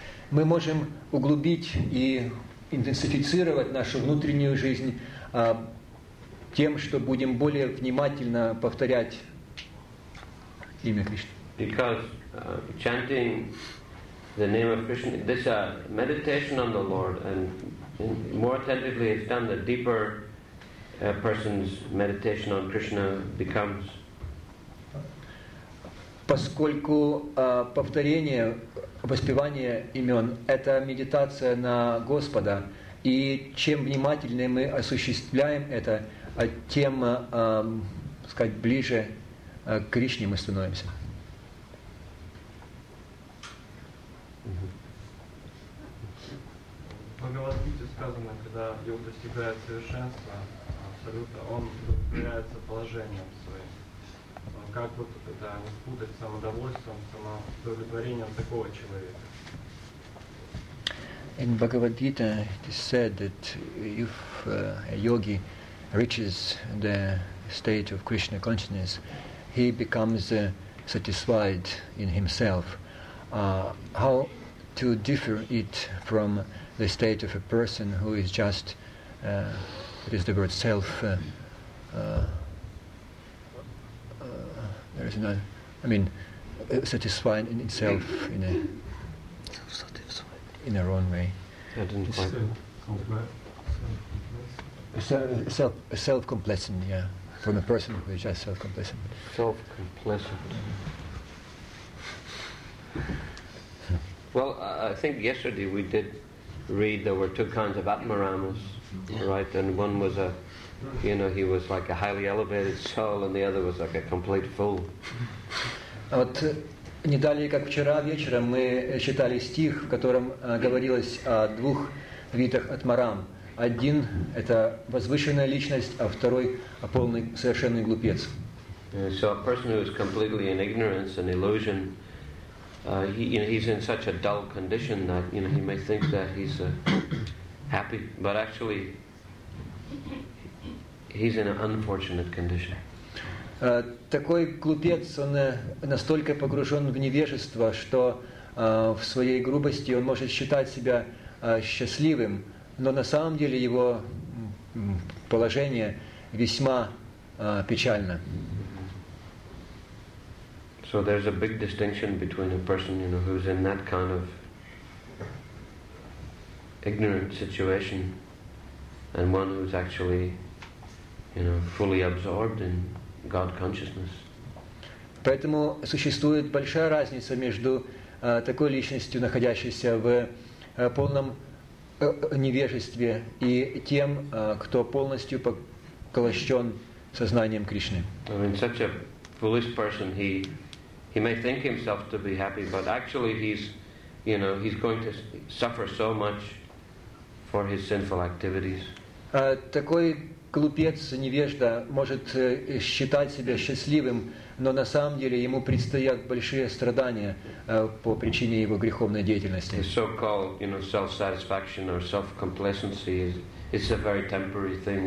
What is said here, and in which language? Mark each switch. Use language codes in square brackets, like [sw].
[ru] Мы можем углубить и интенсифицировать нашу внутреннюю жизнь тем, что будем более внимательно повторять имя Кришны. [en] Because chanting the name of Krishna, this meditation on the Lord, and more attentively it's done, the deeper a person's meditation on Krishna becomes. [ru] Поскольку повторение, воспевание имен – это медитация на Господа, и чем внимательнее мы осуществляем это, тем, сказать, ближе к Кришне мы становимся. В Бхагавад-гите сказано, когда йог достигает совершенства абсолютно, он удовлетворяется положением своим. Как вот это не спутать с самодовольством, самоудовлетворением такого человека? [en] In Bhagavad-gita it is said that if a yogi reaches the state of Krishna consciousness, he becomes satisfied in himself. How to differ it from the state of a person who is just, it is the word self, there is no, I mean, satisfying in itself in a self-satisfied in a wrong way. I didn't quite Self-complacent, yeah, from a person who is just self-complacent. Self-complacent. Well, I think yesterday we did read there were two kinds of Atmaramas, right? And one was a, you know, he was like a highly elevated soul, and the other was like a complete fool. [ru] Вот не далее как вчера вечером мы читали стих, в котором говорилось о двух видах Атмарам. Один – это возвышенная личность, а второй – полный, совершенный глупец. [en] So a person who is completely in ignorance and illusion, he's in such a dull condition that, you know, he may think that he's happy, but actually he's in an unfortunate condition. [ru] Такой глупец, он настолько погружен в невежество, что в своей грубости он может считать себя счастливым, но на самом деле его положение весьма печально. [en] So there's a big distinction between a person, you know, who's in that kind of ignorant situation and one who's actually, you know, fully absorbed in God consciousness. [ru] Поэтому существует большая разница между такой личностью, находящейся в полном невежестве, и тем, кто полностью поглощен сознанием Кришны. [en] I mean, such a foolish person, he may think himself to be happy, but actually he's, you know, he's going to suffer so much for his sinful activities. [ru] Такой глупец, невежда, может считать себя счастливым, но на самом деле ему предстоят большие страдания по причине его греховной деятельности. [en] His so-called, you know, self-satisfaction or self-complacency is a very temporary thing.